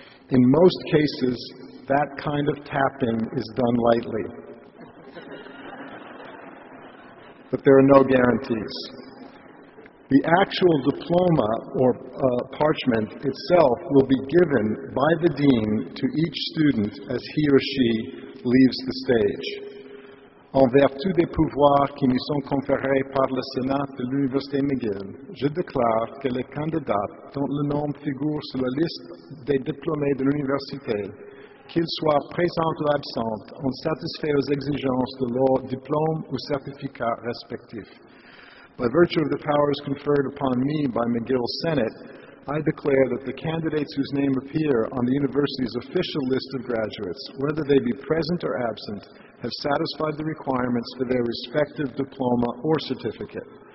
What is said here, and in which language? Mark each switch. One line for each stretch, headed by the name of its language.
English: In most cases, that kind of tapping is done lightly. But there are no guarantees. The actual diploma or parchment itself will be given by the dean to each student as he or she leaves the stage.
French: En vertu des pouvoirs qui me sont conférés par le Sénat de l'Université McGill, je déclare que les candidats dont le nom figure sur la liste des diplômés de l'Université, qu'ils soient présents ou absents, ont satisfait aux exigences de leur diplôme ou certificat respectif.
English: By virtue of the powers conferred upon me by McGill's Senate, I declare that the candidates whose names appear on the university's official list of graduates, whether they be present or absent, have satisfied the requirements for their respective diploma or certificate.